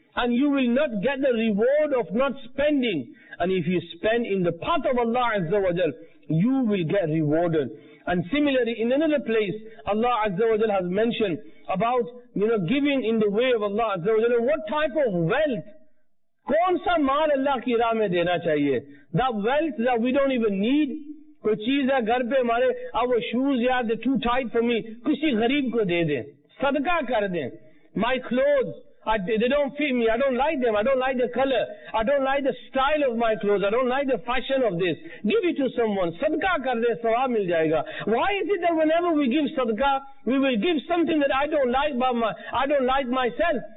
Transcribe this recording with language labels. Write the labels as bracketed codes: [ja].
[en] And you will not get the reward of not spending. And if you spend in the path of Allah Azza wa Jal, you will get rewarded. And similarly, in another place, Allah Azza wa Jal has mentioned about, you know, giving in the way of Allah Azza wa Jal. What type of wealth? [ur] کون سا مال اللہ کی راہ میں دینا چاہیے؟ [en] That wealth that we don't even need. [ur] کوئی چیز ہے گھر پہ ہمارے، [en] our shoes, yeah, they're too tight for me. [ur] کسی غریب کو دے دے۔ صدقہ کر دے۔ [en] My clothes, they don't fit me. I don't like them. I don't like the color. I don't like the style of my clothes. I don't like the fashion of this. Give it to someone. [ur] Sadqa kar de, sawab mil jayega. [en] Why is it that whenever we give sadqa, we will give something that I don't like, I don't like myself?